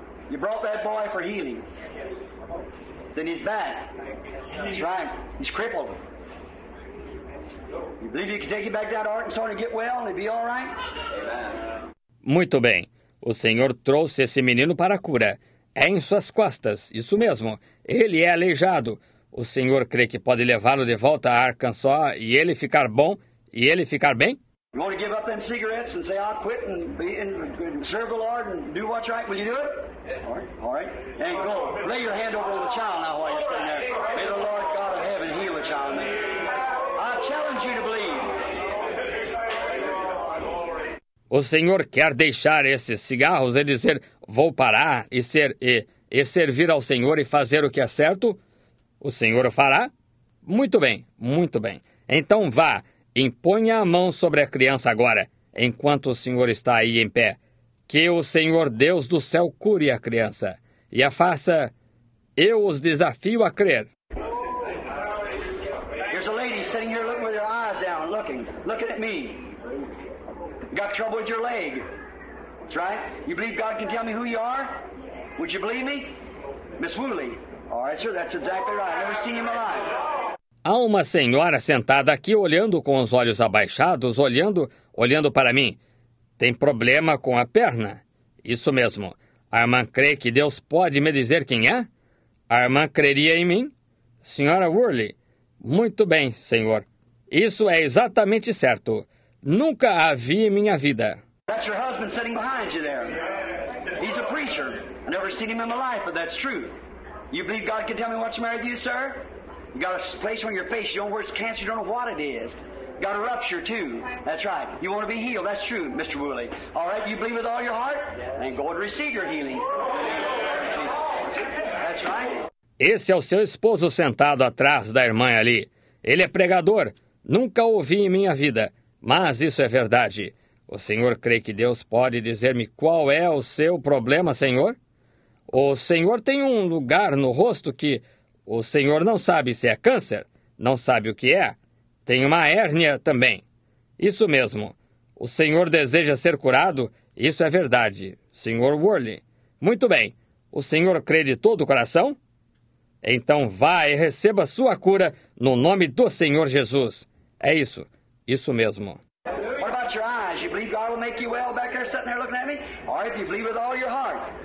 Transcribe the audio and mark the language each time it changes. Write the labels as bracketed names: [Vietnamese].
[English] You brought that boy for healing. Then he's bad. That's right. He's crippled. You believe you can take it back to that art and start to get well and be all right? [Portuguese] Muito bem. O Senhor trouxe esse menino para a cura. É em suas costas, isso mesmo. Ele é aleijado. O Senhor crê que pode levá-lo de volta a Arkansas e ele ficar bom e ele ficar bem? [English] You want to give up them cigarettes and say, I'll quit and serve the Lord and do what's right? Will you do it? All right. And go. Lay your hand over the child now while you're sitting there. May the Lord God of heaven heal the child. Man. I challenge you to believe. [Portuguese] O senhor quer deixar esses cigarros e dizer vou parar e servir ao senhor e fazer o que é certo? O senhor fará? Muito bem, muito bem. Então vá, imponha a mão sobre a criança agora, enquanto o senhor está aí em pé. Que o Senhor Deus do céu cure a criança e a faça. Eu os desafio a crer. [English] There's a lady sitting here looking with her eyes down, looking at me. Got trouble with your leg. That's right. You believe God can tell me who you are? Would you believe me? Miss Woolley. All right, sir, that's exactly right. Never seen him alive. [Portuguese] Há uma senhora sentada aqui olhando com os olhos abaixados, olhando para mim. Tem problema com a perna? Isso mesmo. A irmã crê que Deus pode me dizer quem é? A irmã creria em mim? Senhora Woolley. Muito bem, senhor. Isso é exatamente certo. Nunca a vi em minha vida. [English] That's your husband sitting behind you there. He's a preacher. I never seen him in my life, but that's truth. You believe God can tell me what's married to you, sir? You got a place on your face. You don't know where it's cancer. You don't know what it is. Got a rupture too. That's right. You want to be healed. That's true, Mr. Woolley. All right. You believe with all your heart? Then go and receive your healing. That's right. [Portuguese] Esse é o seu esposo sentado atrás da irmã ali. Ele é pregador. Nunca ouvi em minha vida. Mas isso é verdade. O senhor crê que Deus pode dizer-me qual é o seu problema, senhor? O senhor tem um lugar no rosto que o senhor não sabe se é câncer, não sabe o que é. Tem uma hérnia também. Isso mesmo. O senhor deseja ser curado? Isso é verdade, senhor Woolley. Muito bem. O senhor crê de todo o coração? Então vá e receba sua cura no nome do Senhor Jesus. É isso. Isso mesmo. [English] What about your eyes? You believe God will make you well back there sitting there looking at me? Or if you believe with all your heart.